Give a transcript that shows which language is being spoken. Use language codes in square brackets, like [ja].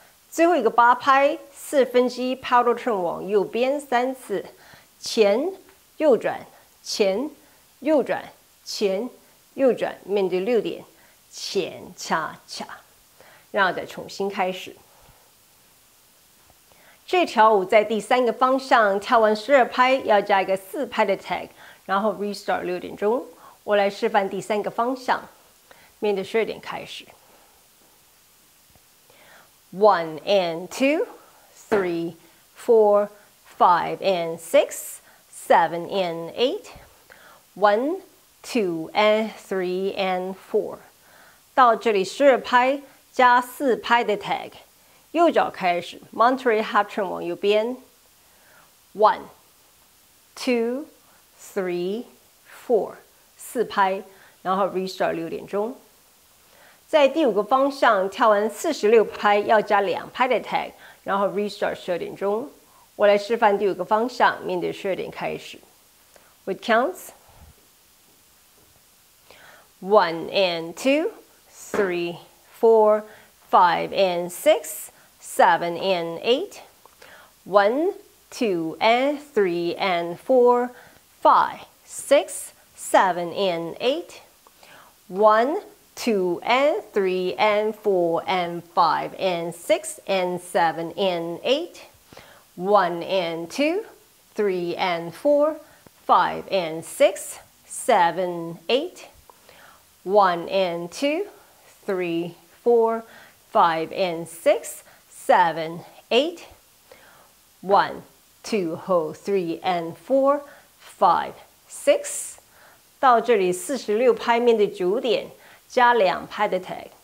[zh] 最后一个八拍四分之一 Paddle Turn 往右边三次，前右转前右转前右转，面对六点，前恰恰，然后再重新开始。这条舞在第三个方向跳完十二拍，要加一个四拍的 tag， 然后 restart 六点钟。我来示范第三个方向，面对十二点开始。 [en] One and two, three, four, five and six, seven and eight, one, two and three and four. [zh] 到这里是拍加四拍的 tag， 右脚开始 ，Monterey half turn 往右边。 [en] One, two, three, four， [zh] 四拍，然后 restart 六点钟。在第五个方向跳完四十六拍，要加两拍的 tag， 然后 restart 十二点钟。我来示范第五个方向，面对十二点开始。 [en] It counts. One and two, three, four, five and six, seven and eight, one. Two and three and four, five, six, seven and eight, one, two and three and four and five and six and seven and eight, one and two, three and four, five and six, seven, eight, one and two, three, four, five and six, seven, eight, one. Two, hold, three, and four, five, six. [zh] 到这里四十六拍面对九点，加两拍的 tag。